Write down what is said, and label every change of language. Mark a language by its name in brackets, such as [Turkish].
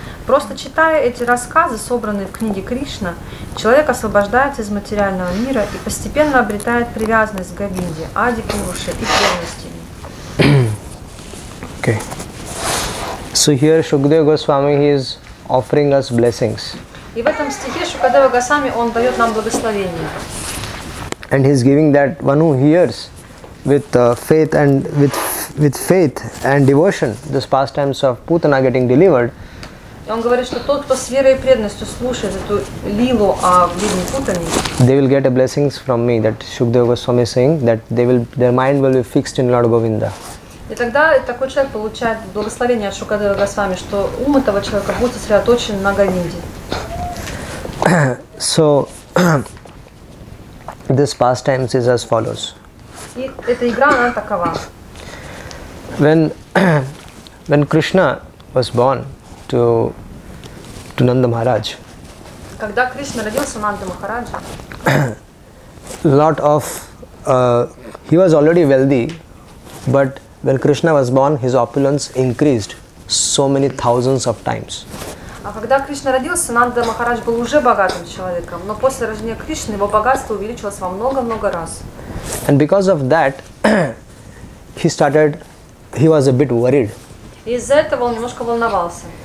[Russian] Просто читая эти рассказы, собранные в книге Кришна, человек освобождается из материального мира и постепенно обретает привязанность к Говинде, Ади, Пуруше и Преданности. [English] Okay. So here Shukadeva Goswami is offering us blessings. [Russian] И в этом стихе Шукадева Госвами он дает нам благословение. [English] And he is giving that one who hears with faith and with faith and devotion this pastimes of Putana getting delivered. [Russian] И он говорит, что тот, кто с верой и преданностью слушает эту лилу о Видне Путане, [English] they will get a blessings from me. That Shukadeva Goswami is saying that they will, their mind will be fixed in Lord Govinda. [Russian] И тогда такой человек получает благословение от Шукадева Госвами, что ум этого человека будет сосредоточен на Говинде. [English] So, this pastimes is as follows. [Russian] И эта игра, она такова. [English] When Krishna was born to Nanda Maharaj, [Russian] когда Кришна родился Нанда Махараджа, [English] lot of, he was already wealthy, but when Krishna was born, his opulence increased so many thousands of times. [Russian] А когда Кришна родился, Нанда Махарадж был уже богатым человеком, но после рождения Кришны его богатство увеличилось во много-много раз. [English] And because of that, he was a bit worried. [Russian] И из-за этого он немножко волновался.